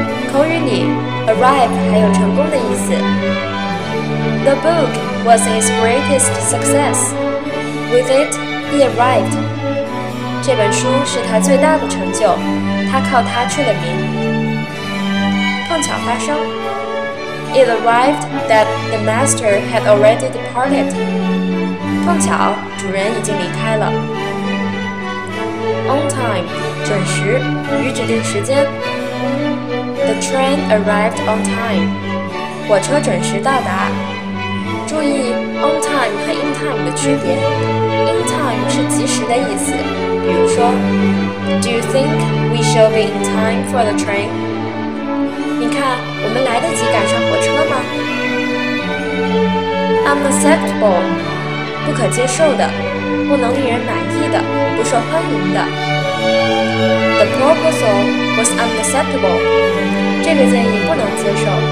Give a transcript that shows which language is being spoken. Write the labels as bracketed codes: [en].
[zh] 口语里 arrive 还有成功的意思。 [en] The book was his greatest success. With it, he arrived. [zh] 这本书是他最大的成就，他靠它出了名。碰巧发生， [en] It arrived that the master had already departed. [zh] 碰巧主人已经离开了。On time, 准时，与指定时间。 [en] The train arrived on time. [zh] 火车准时到达。注意 on time 和 in time 的区别。 [en] In time [zh] 是及时的意思，比如说 [en] Do you think we shall be in time for the train? [zh] 你看我们来得及赶上火车吗？ Unacceptable， 不可接受的，不能令人满意的，不受欢迎的。 [en] The proposal was unacceptable. [zh] 这个建议不能接受。